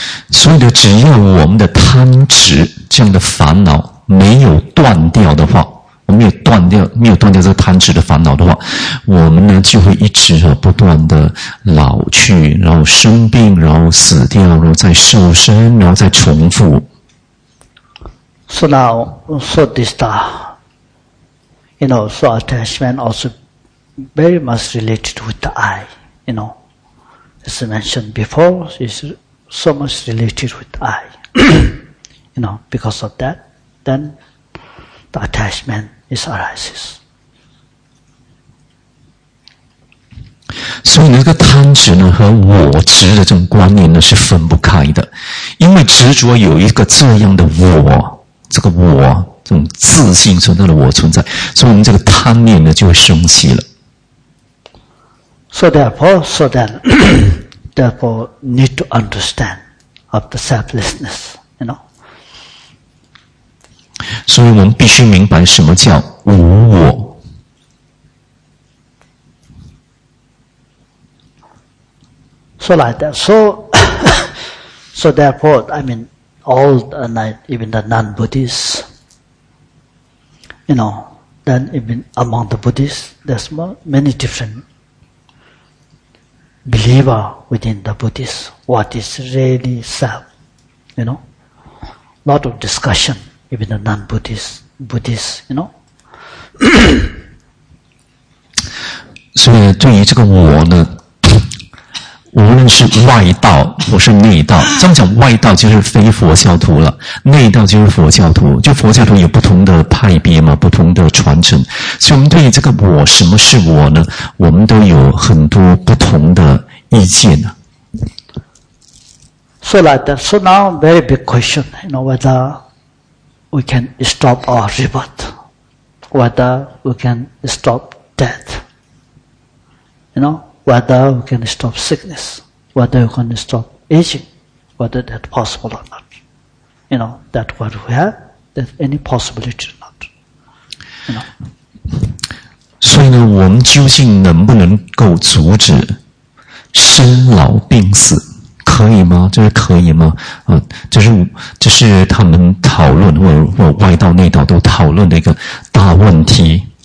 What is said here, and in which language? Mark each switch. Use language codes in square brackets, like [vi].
[zh] 所以呢，只要我们的贪执这样的烦恼没有断掉的话，我们没有断掉这个贪执的烦恼的话，我们呢就会一直不断的老去，然后生病，然后死掉，然后再受生，然后再重复。 [en] So now, so this, you know, so attachment also very much related with the eye. You know, as I mentioned before, is. So much related with the eye. You know, because of that, then the attachment is arises. [zh] 所以那个贪执呢和我执的这种观念呢是分不开的。因为执着有一个这样的我，这个我，这种自信存在的我存在，所以我们这个贪念呢就会生气了。 [en] So therefore, need to understand of the selflessness, you know. [zh] 所以我们必须明白什么叫无我。 [en] So like that. So therefore, I mean, all the, like, even the non-Buddhists, you know, then even among the Buddhists, there's many different. Believer within the Buddhist, what is really self, you know. Lot of discussion, even the non-Buddhist, you know. [zh] 所以对于这个我呢，无论是外道或是内道，这样讲外道就是非佛教徒了，内道就是佛教徒，就佛教徒有不同的派别嘛，不同的传承。所以我们对于这个我，什么是我呢？我们都有很多不同的意见啊。 [en] So like that. So now, very big question, you know, whether we can stop our rebirth, whether we can stop death, you know, whether we can stop sickness, whether we can stop aging, whether that's possible or not. You know, that what we have, that any possibility or not. You know. [zh] 所以呢，我们究竟能不能够阻止生老病死，可可以吗？这是可以吗？这是他们讨论或外道内道都讨论的一个大问题。